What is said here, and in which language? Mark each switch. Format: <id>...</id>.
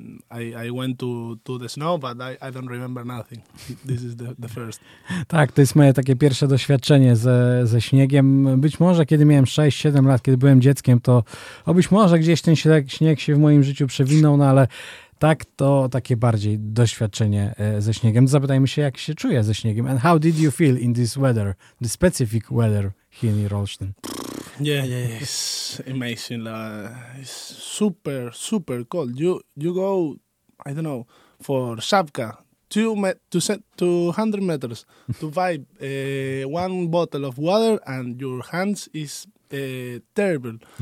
<en>I went to the snow, but I don't remember nothing. This is the first.</en> <pl>Tak, to jest moje takie pierwsze doświadczenie ze śniegiem. Być może kiedy miałem 6-7 lat, kiedy byłem dzieckiem, to być może gdzieś ten śnieg się w moim życiu przewinął, no ale tak, to takie bardziej doświadczenie ze śniegiem. Zapytajmy się, jak się czuję ze śniegiem.</pl> <en>And how did you feel in this weather, the specific weather here in Rolsztyn? Yeah, it's amazing. It's super, super cold. You go, I don't know, for Shavka, 200 meters to buy one bottle of water, and your hands is terrible.</en>